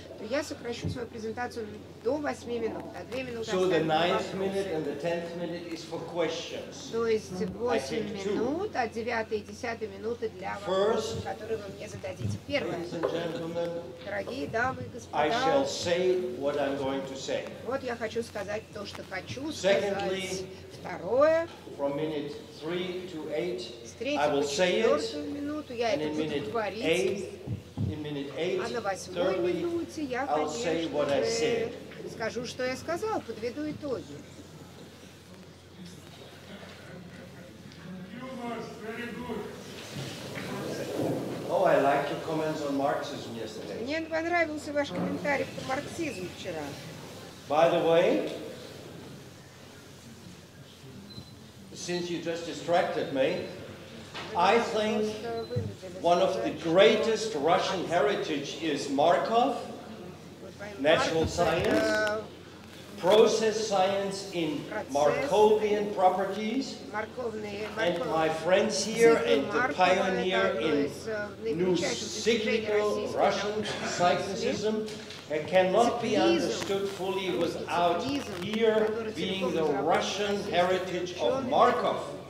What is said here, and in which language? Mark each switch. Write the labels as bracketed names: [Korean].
[Russian] Я сокращу свою презентацию до 8 минут, а 2 минуты. [English] So the 9th minute and the 10th minute is for questions. [Russian] То есть 8 минут, а 9 и 10 минуты для вопросов, которые вы мне зададите. Первое. Дорогие дамы и господа, [English] I shall say what I'm going to say. [Russian] Вот я хочу сказать то, что хочу сказать. [English] Secondly, [Russian] второе. [English] From minute 3 to 8, [Russian] с третьей по четвертую минуту я это буду говорить. [English] In minute 8, I'll say what I said. [Russian] Скажу, что я сказал, подведу итоги. [English] Oh, I liked your comments on Marxism yesterday. [Russian] Мне понравился ваш комментарий по марксизму вчера. [English] By the way, since you just distracted me, I think one of the greatest Russian heritage is Markov, natural science, process science in Markovian properties, and my friends here and the pioneer in new cyclical Russian cyclicism cannot be understood fully without here being the Russian heritage of Markov.